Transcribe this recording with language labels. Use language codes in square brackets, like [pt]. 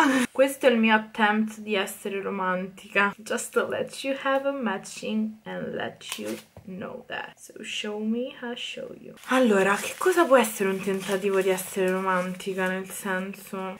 [it] Questo è il mio attempt di essere romantica. [en] Just to let you have a matching and let you know that. So show me, I'll show you. [it] Allora, che cosa può essere un tentativo di essere romantica nel senso?